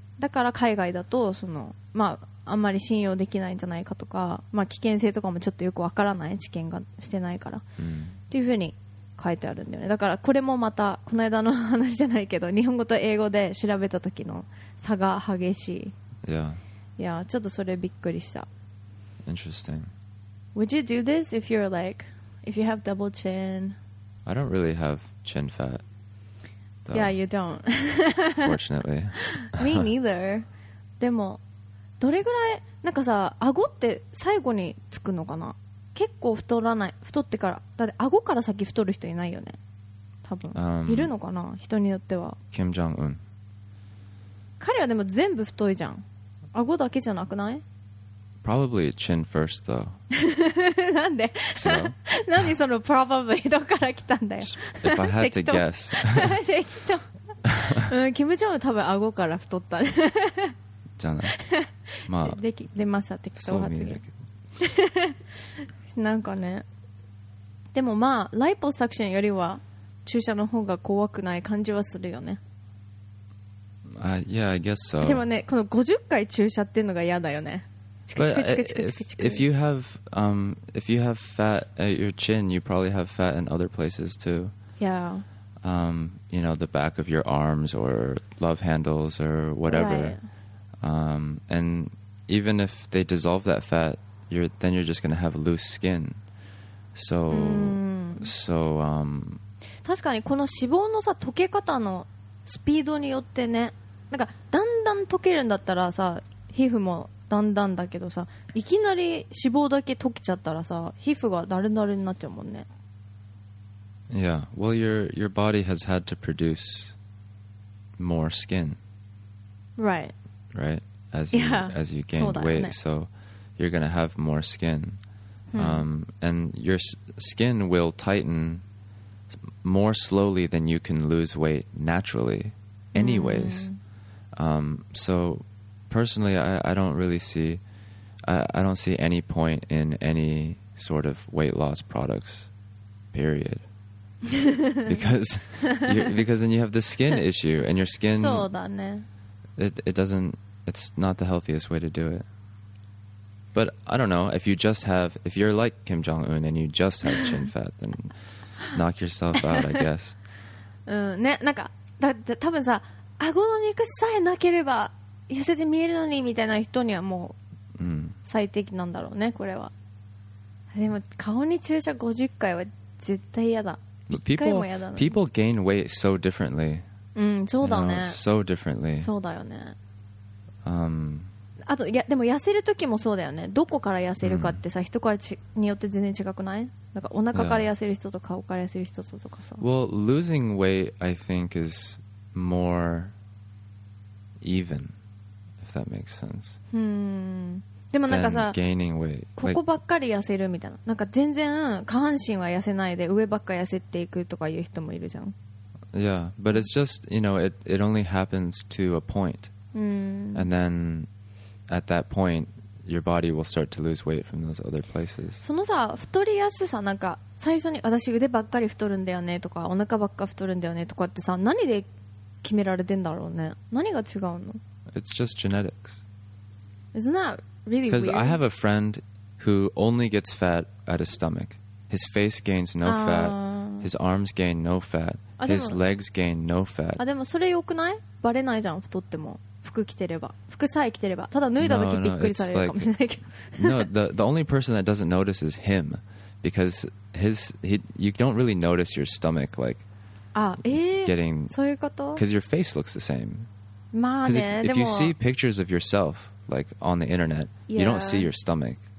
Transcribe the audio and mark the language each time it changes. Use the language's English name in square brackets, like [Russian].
[Japanese] だから海外だとその、まあ、あんまり信用できないんじゃないかとか、まあ、危険性とかもちょっとよくわからない、治験がしてないから、うん、っていうふうに書いてあるんだよね。だからこれもまたこの間の話じゃないけど、日本語と英語で調べた時の差が激しい。 [English] Yeah. [Japanese] Yeah, ちょっとそれびっくりした。 [English] Interesting. Would you do this if you're like, if you have double chin? I don't really have chin fat. Yeah, you don't. Fortunately. Me neither. [Japanese] でもどれぐらい、なんかさ、顎って最後につくのかな。結構太らない、太ってから、だって顎から先太る人いないよね多分、いるのかな、人によっては。キム・ジョンウン、彼はでも全部太いじゃん、顎だけじゃなくない？ [English] Probably chin first though. [Japanese] なんで、 [English] so? [Japanese] 何その probably どこから来たんだよ。 [English] If I had to guess. [Japanese] 適当。うん、キム・ジョンウン多分顎から太ったね。じゃない、まあ、出ました適当発言。そう見なんかね、でもまあライポサクションよりは注射の方が怖くない感じはするよね。 [English] Yeah, I guess so. [Japanese] でもね、この50回注射っていうのが嫌だよね。 [English] If you have fat at your chin, you probably have fat in other places too. Yeah. You know, the back of your arms or love handles or whatever. Right. And even if they dissolve that fat,then you're just going to have loose skin. So, so, [Japanese] 確かにこの脂肪のさ溶け方のスピードによってね、なんかだんだん溶けるんだったらさ皮膚もだんだんだけどさ、いきなり脂肪だけ溶けちゃったらさ皮膚がだるだるになっちゃうもんね。 [English] Yeah, well your body has had to produce more skin. Right. Right? As you gain weight, so you're going to have more skin. And your skin will tighten more slowly than you can lose weight naturally anyways. So personally, I don't really see, I don't see any point in any sort of weight loss products, period. because then you have the skin issue and your skin, it's not the healthiest way to do it. But I don't know, if you're like Kim Jong-un and you just have chin fat, then knock yourself out, I guess. [Japanese] ね、なんか、だって多分さ、顎の肉さえなければ痩せて見えるのにみたいな人にはもう最適なんだろうね、これは。でも顔に注射50回は絶対嫌だ。 1回も嫌だな。 [English] People gain weight so differently. [Japanese] うん、そうだね。 [English] You know, so differently. [Japanese] そうだよね。あと、いや、でも痩せるときもそうだよね。どこから痩せるかってさ、人からによって全然違くない？なんかお腹から痩せる人と顔から痩せる人とかさ。 [English] Well, losing weight, I think, is more even, if that makes sense. [Japanese] でもなんかさ、 [English] gaining weight. [Japanese] ここばっかり痩せるみたいな。なんか全然下半身は痩せないで上ばっかり痩せていくとかいう人もいるじゃん。 [English] Yeah, but it's just, you know, it only happens to a point. And then... At that point, your body will start to lose weight from those other places. [Japanese] そのさ、太りやすさ、なんか最初に私腕ばっかり太るんだよねとかお腹ばっかり太るんだよねとかってさ、何で決められてんだろうね。何が違うの？ [English] It's just genetics. Isn't that really weird? Because I have a friend who only gets fat at his stomach. His face gains no fat. His arms gain no fat. His legs gain no fat. [Japanese] あ、でもそれ良くない？バレないじゃん、太っても。服着てれば、服さえ着てれば、ただ脱いだ時びっくりされるかもしれないけど。 [English] No, the only person that doesn't notice is him, because you don't really notice your stomach like getting. [Japanese] そういうこと？ [English] Because your face looks the same. [Japanese] まあね、でも。 [English] If you see pictures of yourself like on the internet, you don't see your stomach.